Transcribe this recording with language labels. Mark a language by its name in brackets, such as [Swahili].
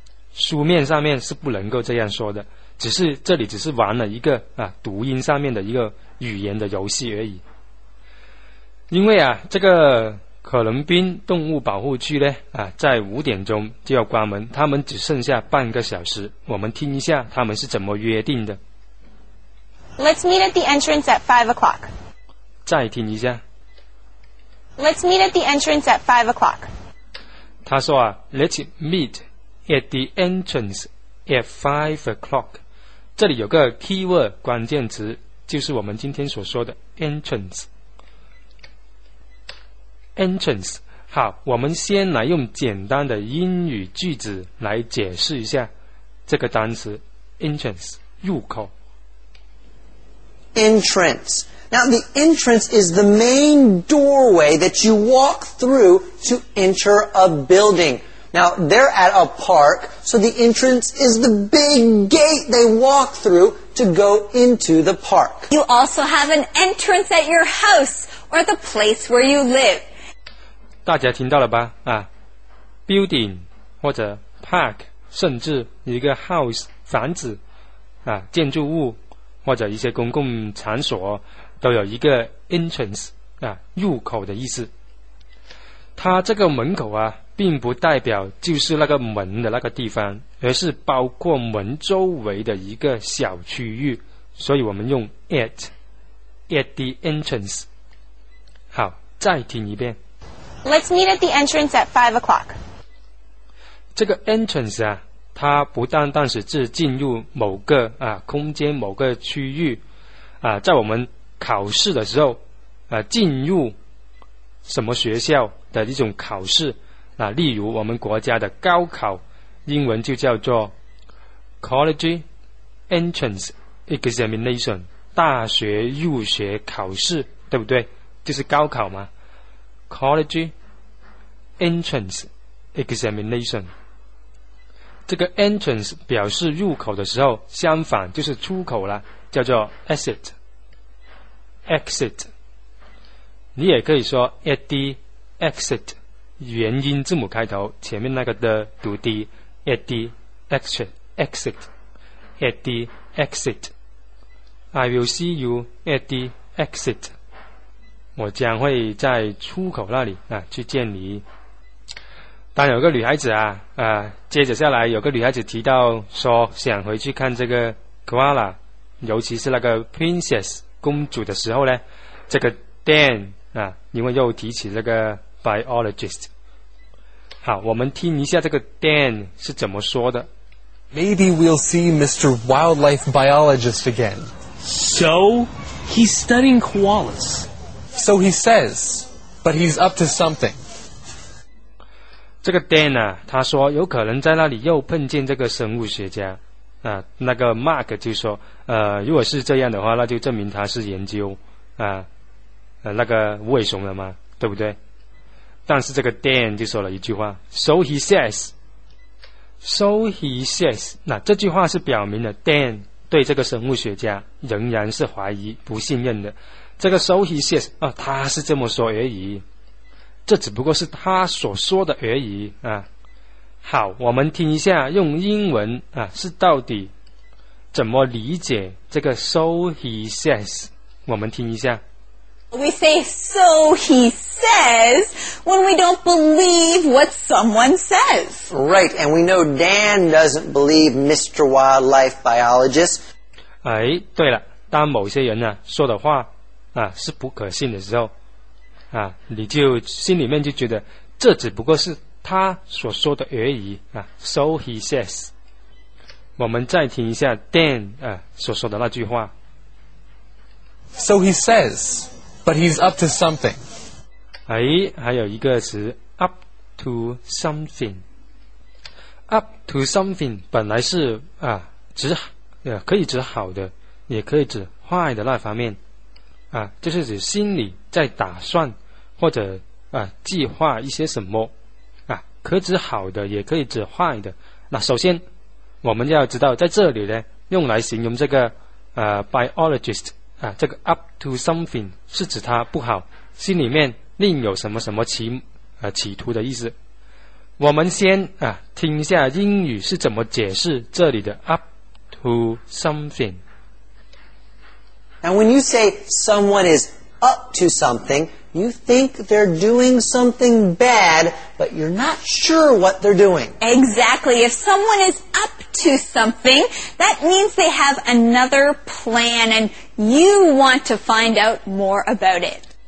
[Chinese] 书面上面是不能够这样说的，只是这里只是玩了一个啊读音上面的一个语言的游戏而已。因为啊，这个可伦宾动物保护区呢啊，在五点钟就要关门，他们只剩下半个小时。我们听一下他们是怎么约定的。 [English] Let's meet at the entrance at 5 o'clock. [Chinese] 再听一下。 [English] Let's meet at the entrance at 5 o'clock. [Chinese] 他说啊 [English] ，Let's meet at the entrance at 5 o'clock. [Chinese] 这里有个 keyword 关键词，就是我们今天所说的 entrance。 Entrance， 好，我们先来用简单的英语句子来解释一下这个单词 entrance， 入口。 [English] Entrance. Now the entrance is the main doorway that you walk through to enter a building. Now they're at a park, so the entrance is the big gate they walk through to go into the park. You also have an entrance at your house or the place where you live. [Chinese] 大家听到了吧啊 building 或者 park 甚至一个 house 房子啊建筑物或者一些公共场所都有一个 entrance 啊入口的意思。它这个门口啊并不代表就是那个门的那个地方，而是包括门周围的一个小区域，所以我们用 at the entrance。好，再听一遍。 [English] Let's meet at the entrance at 5 o'clock. [Chinese] 这个 entrance 啊，它不单单是指进入某个啊空间、某个区域啊，在我们考试的时候啊，进入什么学校的一种考试啊，例如我们国家的高考，英文就叫做 [English] college entrance examination， [Chinese] 大学入学考试，对不对？就是高考嘛。 [English] College entrance examination， [Chinese] 这个 entrance 表示入口的时候，相反就是出口了，叫做 exit。 [English] exit， 你也可以说 at the exit， [Chinese] 元音字母开头，前面那个的读 [English] d， at the exit， exit， at the exit， I will see you at the exit。 [Chinese] 我将会在出口那里啊去见你。当有个女孩子啊啊，接着下来有个女孩子提到说想回去看这个 koala， 尤其是那个 princess 公主的时候呢，这个 Dan 啊，因为又提起那个 biologist。好，我们听一下这个 Dan 是怎么说的。 [English] Maybe we'll see Mr. Wildlife Biologist again. So he's studying koalas. So he says, but he's up to something. [Chinese] 这个 Dan 啊，他说有可能在那里又碰见这个生物学家啊。那个 Mark 就说，如果是这样的话，那就证明他是研究啊，那个无尾熊了嘛，对不对？但是这个 Dan 就说了一句话 ， [English] So he says. So he says. [Chinese] 那这句话是表明了 Dan 对这个生物学家仍然是怀疑、不信任的。这个 [English] so he says [Chinese] 啊，他是这么说而已，这只不过是他所说的而已啊。好，我们听一下用英文啊，是到底怎么理解这个 [English] so he says？ [Chinese] 我们听一下。 [English] We say so he says when we don't believe what someone says. Right, and we know Dan doesn't believe Mr. Wildlife Biologist. [Chinese] 哎，对了，当某些人呢、啊、说的话。啊，是不可信的时候，啊，你就心里面就觉得这只不过是他所说的而已啊。 [English] So he says。 [Chinese] 我们再听一下 Dan 啊所说的那句话。 [English] So he says, but he's up to something。 [Chinese] 哎，还有一个词 [English] up to something。 up to something [Chinese] 本来是啊指可以指好的，也可以指坏的那方面。啊，就是指心里在打算或者啊计划一些什么啊，可指好的也可以指坏的。那首先我们要知道在这里呢用来形容这个biologist 啊，这个 [English] up to something [Chinese] 是指他不好，心里面另有什么什么企图的意思。我们先啊听一下英语是怎么解释这里的 [English] up to something And when you say someone is up to something, You think they're doing something bad, but you're not sure what they're doing. Exactly. If someone is up to something, that means they have another plan, and you want to find out more about it.